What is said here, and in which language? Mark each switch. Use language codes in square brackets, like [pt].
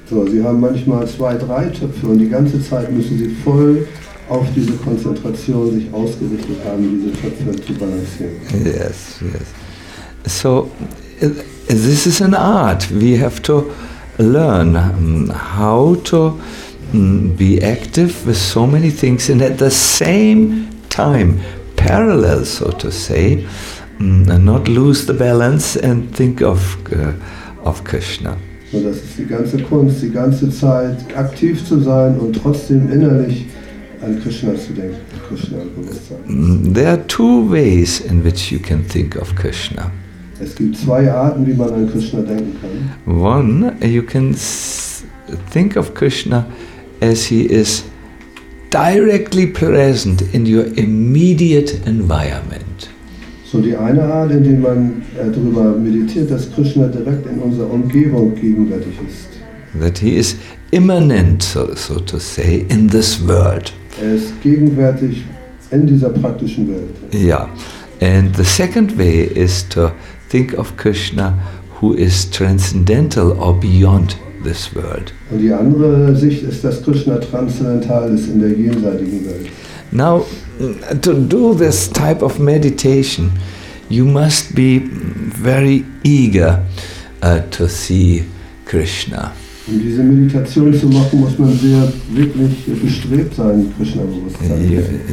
[de] So, sie haben manchmal zwei, drei Töpfe und die ganze Zeit müssen sie voll auf diese Konzentration sich ausgerichtet haben, diese Töpfe zu balancieren. [en] Yes, yes. So, this is an art. We have to learn how to be active with so many things and at the same time, parallel, so to say, and not lose the balance and think of Krishna. [de] So, das ist die ganze Kunst, die ganze Zeit aktiv zu sein und trotzdem innerlich an Krishna zu denken, an Krishna im Bewusstsein. [en] There are two ways in which you can think of Krishna. [de] Es gibt zwei Arten, wie man an Krishna denken kann. [en] One, you can think of Krishna as he is directly present in your immediate environment. [de] So die eine Art, indem man darüber meditiert, dass Krishna direkt in unserer Umgebung gegenwärtig ist. [en] That he is immanent, so to say, in this world. [de] Er ist gegenwärtig in dieser praktischen Welt. [en] Ja, and the second way is to think of Krishna who is transcendental or beyond this world. [de] Und die andere Sicht ist, dass Krishna transzendental ist in der jenseitigen Welt. [en] Now, to do this type of meditation, you must be very eager to see Krishna. [de] Um diese Meditation zu machen, muss man sehr wirklich bestrebt sein, Krishna-Bewusstsein.